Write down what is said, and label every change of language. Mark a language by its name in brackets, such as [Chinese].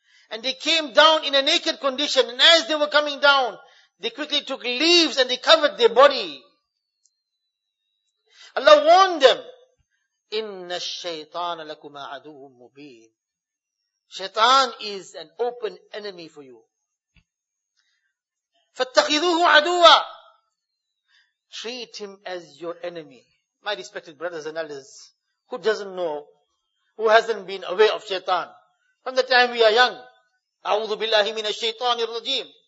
[English] And they came down in a naked condition. And as they were coming down, they quickly took leaves and they covered their body. Allah warned them, [Arabic] إِنَّ الشَّيْطَانَ لَكُمَا عَدُوٌ مُبِينٌ. [English] Shaitan is an open enemy for you. [Arabic] فَاتَّخِذُوهُ عَدُوًا. [English] Treat him as your enemy. My respected brothers and elders, who doesn't know, who hasn't been aware of Shaitan from the time we are young, [Arabic] أَعُوذُ بِاللَّهِ مِنَ الشَّيْطَانِ الرَّجِيمِ.